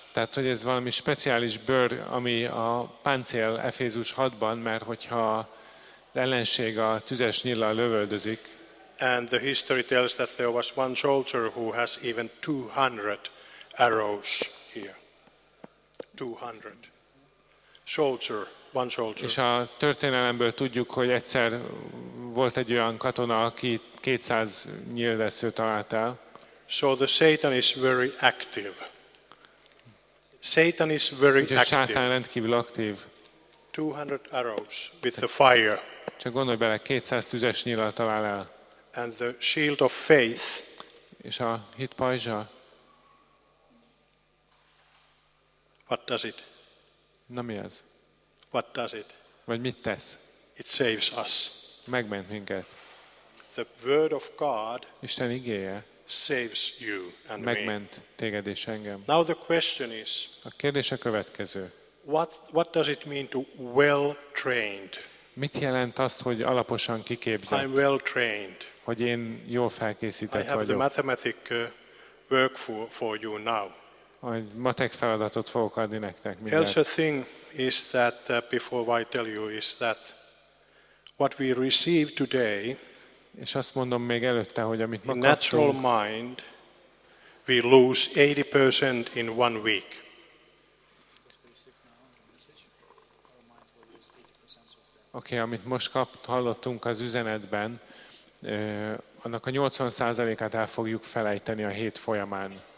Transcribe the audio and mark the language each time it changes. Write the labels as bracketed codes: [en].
[hu] Tehát, hogy ez valami speciális bőr, ami a páncél Efézus 6-ban, mert hogyha ellenség a tüzes nyillal lövöldözik. [en] And the history tells that there was one soldier who has even 200 arrows here. 200. Soldier, one soldier. [hu] És a történelemből tudjuk, hogy egyszer volt egy olyan katona, aki 200 nyílvesző talált el. [en] So the Satan is very active. Satan is very active. [hu] Sátán rendkívül aktív. [en] 200 arrows with the fire. [hu] Csak gondolj bele, 200 tüzes nyíllal talál el. [en] And the shield of faith. [hu] És a hit pajzsa. [en] What does it? [hu] Na mi az? [en] What does it? [hu] Vagy mit tesz? [en] It saves us. [hu] Megment minket. [en] The word of God. [hu] Isten igéje. [en] Saves you and me. [hu] Megment téged és engem. [en] Now the question is. [hu] A kérdés a következő. [en] What does it mean to well trained? [hu] Mit jelent azt, hogy alaposan kiképzett? [en] I'm well trained. [hu] Hogy én jól felkészített vagyok. [en] I have the mathematic work for you now. [hu] A matek feladatot fogok adni nektek. [en] The other thing is that before I tell you is that what we receive today. [hu] És azt mondom még előtte, hogy amit [en] in natural mind we lose 80% in one week. [hu] Okay, amit most hallottunk az üzenetben, annak a 80%-át el fogjuk felejteni a hét folyamán.